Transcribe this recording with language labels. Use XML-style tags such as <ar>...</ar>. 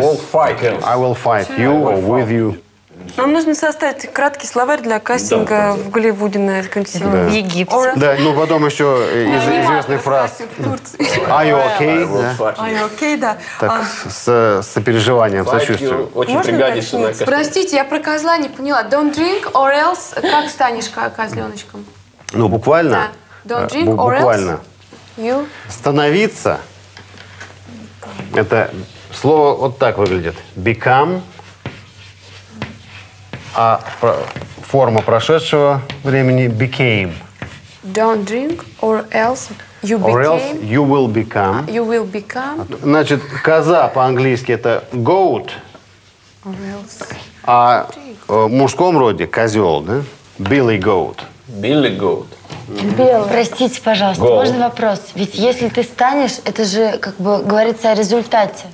<en>will fight you or with you.</en> <ru>Нам нужно составить краткий словарь для кастинга в Голливуде на консилиум. В Египте. Да, ну потом еще из известных фраз.</ru> <en>Are you okay? Are you okay, да.</en> <ru>Так, с сопереживанием, сочувствием. Очень пригодится на кастинг. Простите, я про козла не поняла.</ru> <en>Don't drink or else.</en> <ru>Как станешь козленочком? Ну, буквально.</ru> <en>Don't drink or else.</en> <ru>Буквально. Становиться. Это слово вот так выглядит.</ru> <en>Become.</en> <ru>А форма прошедшего времени – became.</ru> <en>Don't drink or else you became. Or else you will become. You will become.</en> <ru>Значит, коза по-английски – это goat.</ru> <en>Or else.</en> <ru>А в мужском роде – козел, да?</ru> <en>Billy goat. Billy goat.</en> <ru>Билл, простите, пожалуйста, goat. Можно вопрос? Ведь если ты станешь, это же как бы говорится о результате.</ru>